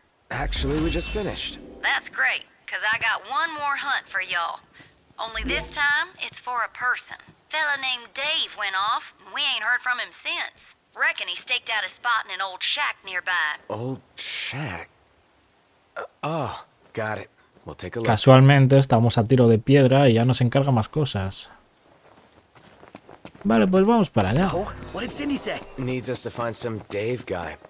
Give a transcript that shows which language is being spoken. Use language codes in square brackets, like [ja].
[en] Actually, we just finished. That's great, cause I got one more hunt for y'all. Only this time, it's for a person. Fella named Dave went off, and we ain't heard from him since. Reckon he staked out a spot in an old shack nearby. Old shack. Oh, got it. We'll take a look. [es] Casualmente estamos a tiro de piedra y ya nos encarga más cosas. Vale, pues vamos para allá. [en] What did Cindy say? Needs us to find some Dave guy.